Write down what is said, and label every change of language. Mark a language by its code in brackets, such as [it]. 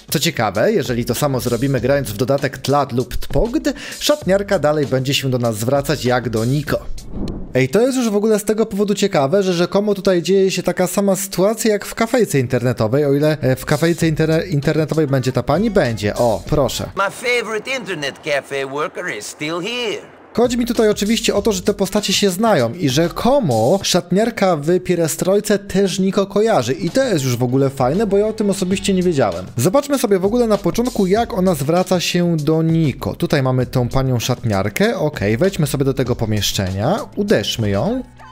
[pl] Co ciekawe, jeżeli to samo zrobimy grając w dodatek Tlad lub Tpogd, szatniarka dalej będzie się do nas zwracać jak do Niko. Ej, to jest już w ogóle z tego powodu ciekawe, że rzekomo tutaj dzieje się taka sama sytuacja jak w kafejce internetowej, o ile w kafejce internetowej będzie ta pani, będzie. O, proszę. [en] My favorite internet cafe worker is still here. [pl] Chodzi mi tutaj oczywiście o to, że te postacie się znają i rzekomo szatniarka w pierestrojce też Niko kojarzy i to jest już w ogóle fajne, bo ja o tym osobiście nie wiedziałem. Zobaczmy sobie w ogóle na początku, jak ona zwraca się do Niko. Tutaj mamy tą panią szatniarkę, okej, wejdźmy sobie do tego pomieszczenia, uderzmy ją.